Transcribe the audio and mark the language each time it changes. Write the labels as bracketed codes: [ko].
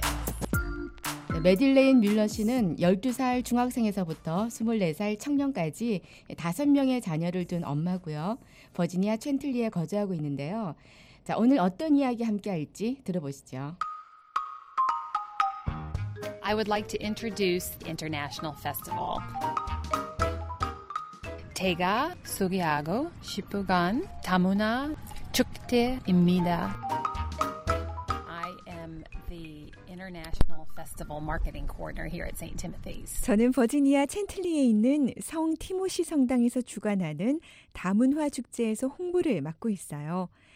[en] Yes. [ko] 매들레인 뮬러 씨는 12살 중학생에서부터 24살 청년까지 5명의 자녀를 둔 엄마고요. 버지니아 챈틀리에 거주하고 있는데요. 자, 오늘 어떤 이야기 함께 할지 들어보시죠. [en] I would like to introduce the International Festival. [ko] 제가 소개하고 싶은 다문화 축제입니다. [en] I am the International Festival Marketing Coordinator here at St. Timothy's. [ko] 저는 버지니아 챈틀리에 있는 성 티모시 성당에서 주관하는 다문화 축제에서 홍보를 맡고 있어요.